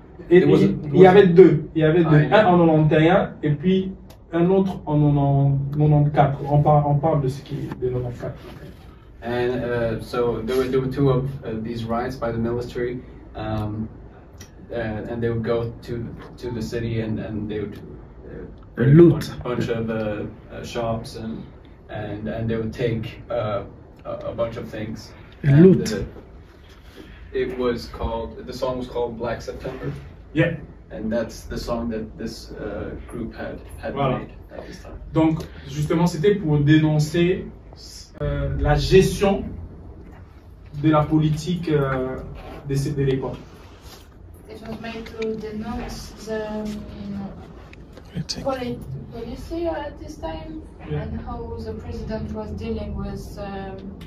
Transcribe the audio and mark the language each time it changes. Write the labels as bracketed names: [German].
[French] Il y avait deux, un en 91 et puis un autre en 94. On parle de ce qui est de 94. [English] And so there were two of these riots by the military. And they would go to the city and they would loot a bunch of shops and they would take a bunch of things. Loot. It was called, the song was called Black September. Yeah. And that's the song that this group had voilà. made at this time. [French] Donc justement, c'était pour dénoncer la gestion de la politique de l'époque. [English] It was made to denounce the, you know, policy at this time, yeah, and how the president was dealing with society.